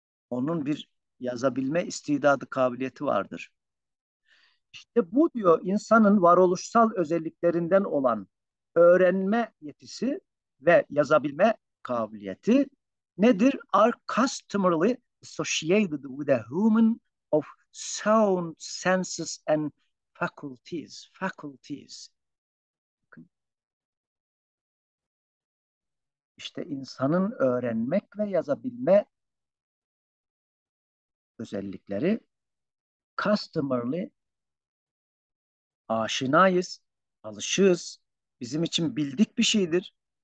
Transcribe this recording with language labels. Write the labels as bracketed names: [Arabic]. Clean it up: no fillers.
[Turkish] Onun bir yazabilme istidadı, kabiliyeti vardır. İşte bu diyor insanın varoluşsal özelliklerinden olan öğrenme yetisi ve yazabilme kabiliyeti nedir? [English] Are customarily associated with a human of sound senses and faculties. Faculties. [Turkish] İşte insanın öğrenmek ve yazabilme özellikleri customarily aşinayız, alışığız. Bizim için bildik bir şeydir.